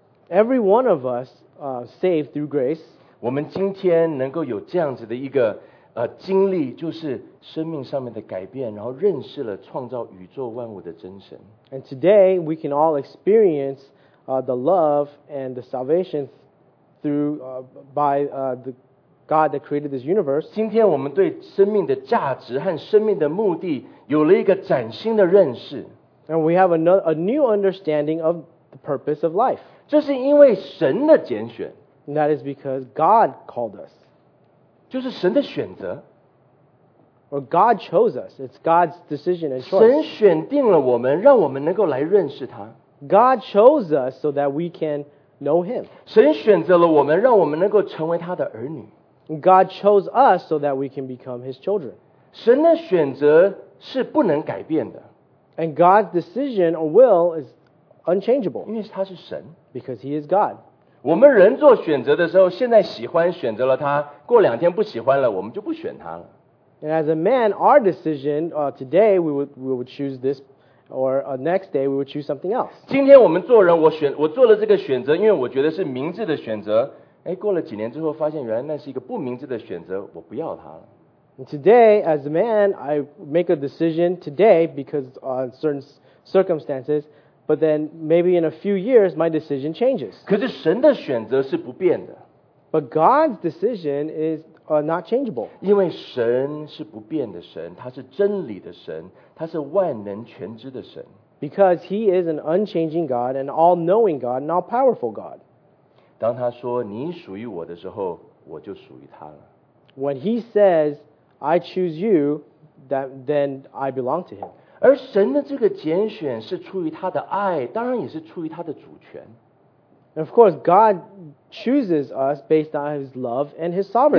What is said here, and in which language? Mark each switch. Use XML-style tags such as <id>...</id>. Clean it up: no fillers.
<en>Every one of us saved through grace.</en> <zh>我们今天能够有这样子的一个经历，就是生命上面的改变，然后认识了创造宇宙万物的真神。</zh> <en>And today we can all experience the love and the salvation through the God that created this universe.</en> <zh>今天我们对生命的价值和生命的目的有了一个崭新的认识。</zh> <en>And we have a new understanding of the purpose of life.</en> <zh>这是因为神的拣选。</zh> <en>And that is because God called us.</en> <zh>就是神的选择。</zh> <en>Or God chose us. It's God's decision and choice.</en> <zh>神选定了我们，让我们能够来认识他。</zh> <en>God chose us so that we can know him.</en> <zh>神选择了我们，让我们能够成为他的儿女。</zh> <en>God chose us so that we can become his children.</en> <zh>神的选择是不能改变的。</zh> <en>And God's decision or will is unchangeable.</en> <zh>因为他是神。</zh> <en>Because he is God.</en> <zh>我们人做选择的时候，现在喜欢选择了他，过两天不喜欢了，我们就不选他了。</zh> <en>And as a man, our decision, today we would choose this, or next day we would choose something else.</en> <zh>今天我们做人，我做了这个选择，因为我觉得是明智的选择。哎，过了几年之后，发现原来那是一个不明智的选择，我不要他了。</zh> <en>And today, as a man, I make a decision today because on certain circumstances. But then, maybe in a few years, my decision changes.</en> <zh>可是神的选择是不变的。</zh> <en>But God's decision is not changeable.</en> <zh>因为神是不变的神，他是真理的神，他是万能全知的神。</zh> <en>Because he is an unchanging God, an all-knowing God, an all-powerful God.</en> <zh>当他说你属于我的时候，我就属于他了。</zh> <en>When he says, I choose you, then I belong to him.</en> <zh>而神的这个拣选是出于他的爱，当然也是出于他的主权。</zh> <en>Of course, God chooses us based on His love and His sovereignty.</en>